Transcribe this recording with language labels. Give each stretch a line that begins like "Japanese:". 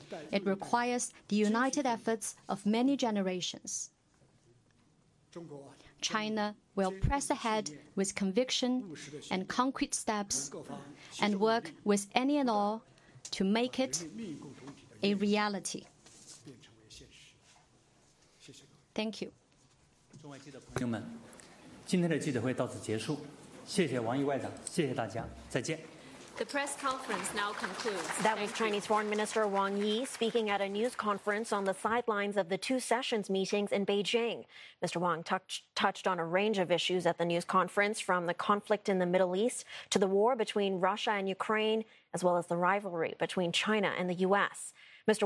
English: It requires the united efforts of many generations. China will press ahead with conviction and concrete steps and work with any and all to make it a reality. Thank you.
Chinese: 中外记者朋友们, 今天的记者会到此结束, 谢谢王毅外长, 谢谢大家, 再见。
English: The press conference now concludes. That was Chinese Foreign Minister Wang Yi speaking at a news conference on the sidelines of the two sessions meetings in Beijing. Mr. Wang touched on a range of issues at the news conference, from the conflict in the Middle East to the war between Russia and Ukraine, as well as the rivalry between China and the U.S. Mr.